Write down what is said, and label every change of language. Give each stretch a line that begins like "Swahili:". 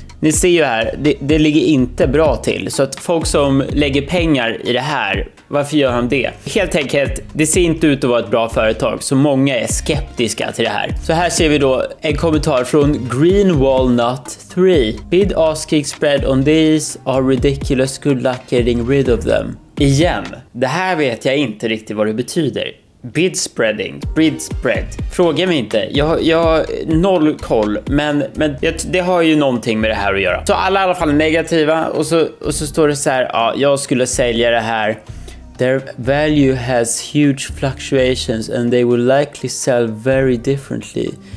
Swedish: Ni ser ju här, det ligger inte bra till. Så att folk som lägger pengar i det här, varför gör han det? Helt enkelt, det ser inte ut att vara ett bra företag. Så många är skeptiska till det här. Så här ser vi då en kommentar från Green Walnut 3.
English: Bid asking spread on these are ridiculous, good luck getting rid of them.
Swedish: Igen, det här vet jag inte riktigt vad det betyder. Bid spreading, bid spread. Fråga mig inte, jag har noll koll. Men det har ju någonting med det här att göra. Så alla i alla fall är negativa. Och så står det så här, ja, jag skulle sälja det här.
English: Their value has huge fluctuations and they will likely sell very differently.